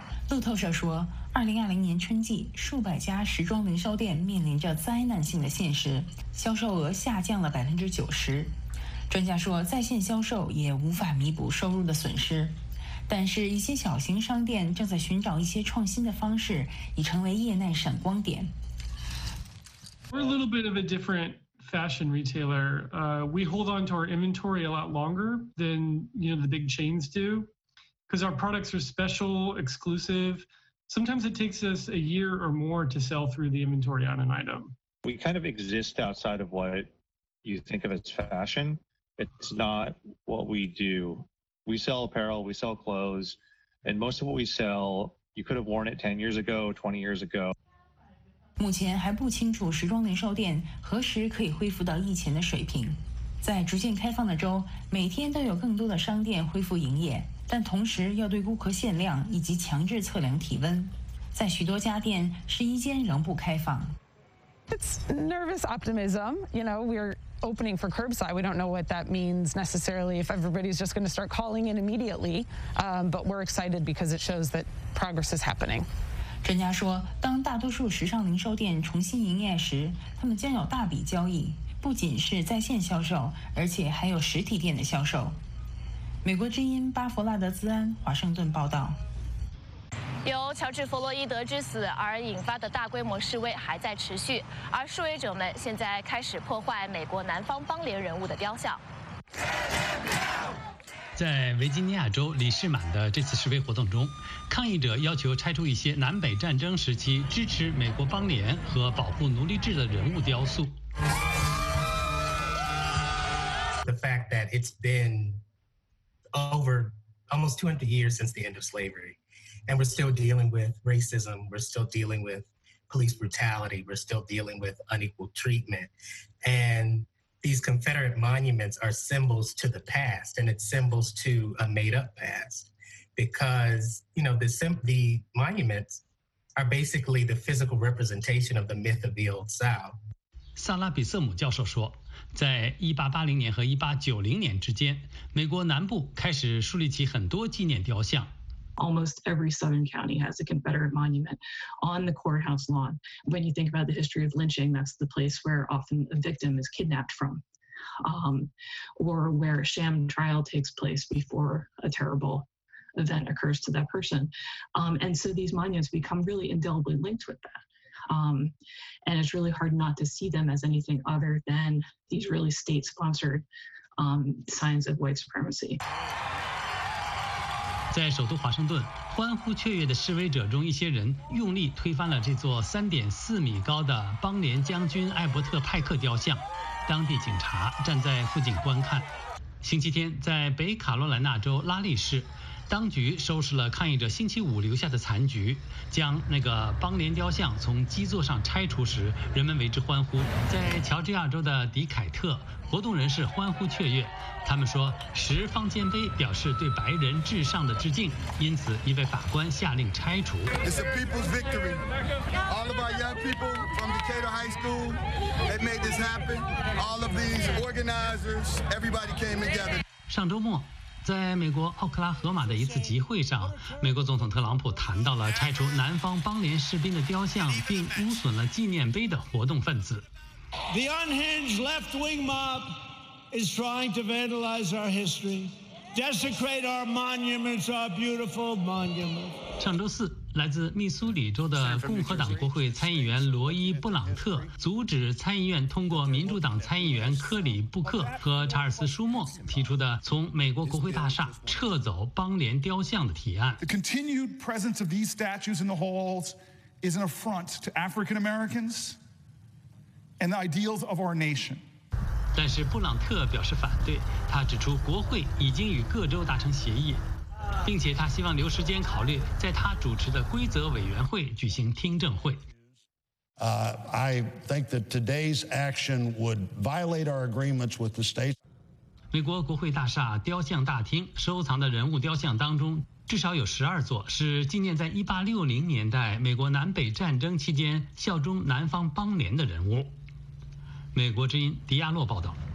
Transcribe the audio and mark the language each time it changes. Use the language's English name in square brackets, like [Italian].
[Chinese] 路透社说，2020年春季，数百家时装零售店面临着灾难性的现实，销售额下降了90%。专家说，在线销售也无法弥补收入的损失，但是一些小型商店正在寻找一些创新的方式，已成为业内闪光点。 [English] We're a little bit of a different fashion retailer. We hold on to our inventory a lot longer than, you know, the big chains do, because our products are special, exclusive. Sometimes it takes us a year or more to sell through the inventory on an item. We kind of exist outside of what you think of as fashion. It's not what we do. We sell apparel, we sell clothes, and most of what we sell, you could have worn it 10 years ago, 20 years ago. [Chinese] 目前还不清楚时装零售店何时可以恢复到疫情的水平。在逐渐开放的州，每天都有更多的商店恢复营业，但同时要对顾客限量以及强制测量体温。在许多家店，试衣间仍不开放。 [English] It's nervous optimism. You know, we're opening for curbside. We don't know what that means necessarily, if everybody's just going to start calling in immediately. But we're excited because it shows that progress is happening. [Chinese] 专家说，当大多数时尚零售店重新营业时，他们将有大笔交易，不仅是在线销售，而且还有实体店的销售。美国之音巴佛拉德兹安，华盛顿报道。由乔治·弗洛伊德之死而引发的大规模示威还在持续，而示威者们现在开始破坏美国南方邦联人物的雕像。在维吉尼亚州里士满的这次示威活动中，抗议者要求拆除一些南北战争时期支持美国邦联和保护奴隶制的人物雕塑。 [English] The fact that it's been over almost 200 years since the end of slavery. And we're still dealing with racism, we're still dealing with police brutality, we're still dealing with unequal treatment. And these Confederate monuments are symbols to the past, and it's symbols to a made-up past. Because, you know, the monuments are basically the physical representation of the myth of the Old South. [Chinese] 萨拉·比瑟姆教授说，在1880年和1890年之间，美国南部开始树立起很多纪念雕像。 [English] Almost every southern county has a Confederate monument on the courthouse lawn. When you think about the history of lynching, that's the place where often a victim is kidnapped from, or where a sham trial takes place before a terrible event occurs to that person. And so these monuments become really indelibly linked with that. And it's really hard not to see them as anything other than these really state-sponsored signs of white supremacy. [Chinese] 在首都华盛顿，欢呼雀跃的示威者中，一些人用力推翻了这座3.4米高的邦联将军艾伯特·派克雕像。当地警察站在附近观看。星期天，在北卡罗来纳州拉利市，当局收拾了抗议者星期五留下的残局，将那个邦联雕像从基座上拆除时，人们为之欢呼。在乔治亚州的迪凯特，活动人士欢呼雀跃，他们说十方尖碑表示对白人至上的致敬，因此一位法官下令拆除。 [English] It's a people's victory. All of our young people from Decatur High School that made this happen. All of these organizers, everybody came together. [Chinese] 上周末，在美国奥克拉荷马的一次集会上，美国总统特朗普谈到了拆除南方邦联士兵的雕像并污损了纪念碑的活动分子。 [English] The unhinged left-wing mob is trying to vandalize our history, desecrate our monuments, our beautiful monuments. [Chinese] 上周四，来自密苏里州的共和党国会参议员罗伊·布朗特阻止参议院通过民主党参议员科里·布克和查尔斯·舒默提出的从美国国会大厦撤走邦联雕像的提案。 [English] The continued presence of these statues in the halls is an affront to African Americans. And the ideals of our nation. [Chinese] 但是布朗特表示反对，他指出国会已经与各州达成协议，并且他希望留时间考虑在他主持的规则委员会举行听证会。 [English] I think that today's action would violate our agreements with the state. [Chinese] 美国国会大厦雕像大厅收藏的人物雕像当中，至少有12座是纪念在1860年代美国南北战争期间效忠南方邦联的人物。美国之音迪亚洛报道。